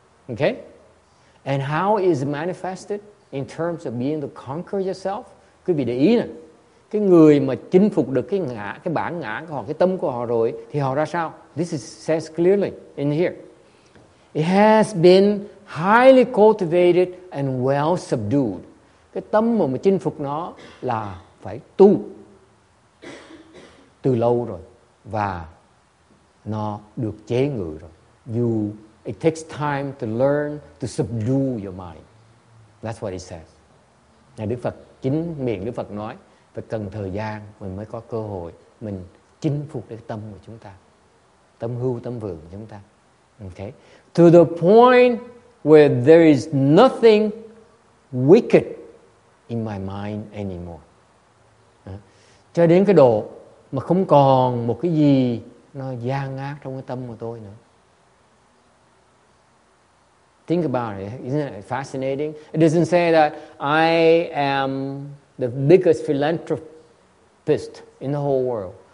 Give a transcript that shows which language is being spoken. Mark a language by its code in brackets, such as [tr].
[en] Okay, and how is it manifested in terms of being to conquer yourself? [vi] Quý vị để ý nè. Cái người mà chinh phục được cái ngã, cái bản ngã của họ, cái tâm của họ rồi, thì họ ra sao? [en] This is says clearly in here. It has been highly cultivated and well subdued. [vi] Cái tâm mà chinh phục nó là phải tu từ lâu rồi. Và nó được chế ngự rồi. [en] It takes time to learn to subdue your mind. That's what it says. [vi] Nhà Đức Phật, chính miệng Đức Phật nói, phải cần thời gian mình mới có cơ hội mình chinh phục cái tâm của chúng ta, tâm hưu tâm vượng của chúng ta. [en] Okay. To the point where there is nothing wicked in my mind anymore. [vi] Cho đến cái độ mà không còn một cái gì nó gian ác trong cái tâm của tôi nữa. [en] Think about it. Isn't it fascinating? It doesn't say that I am the biggest philanthropist in the whole world.